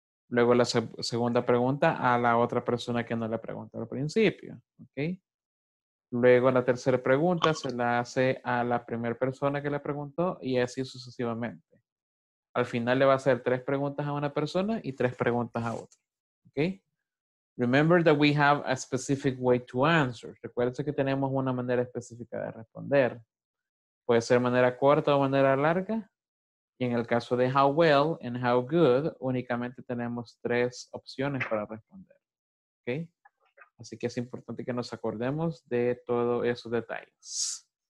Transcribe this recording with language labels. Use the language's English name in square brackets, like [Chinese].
[Spanish] Luego la segunda pregunta a la otra persona que no le preguntó al principio. ¿Okay? Luego la tercera pregunta se la hace a la primera persona que le preguntó y así sucesivamente. Al final le va a hacer tres preguntas a una persona y tres preguntas a otra. ¿Okay? [English] Remember that we have a specific way to answer. [Spanish] Recuerda que tenemos una manera específica de responder. Puede ser manera corta o manera larga. Y en el caso de how well and how good, únicamente tenemos tres opciones para responder. ¿Okay? Así que es importante que nos acordemos de todos esos detalles.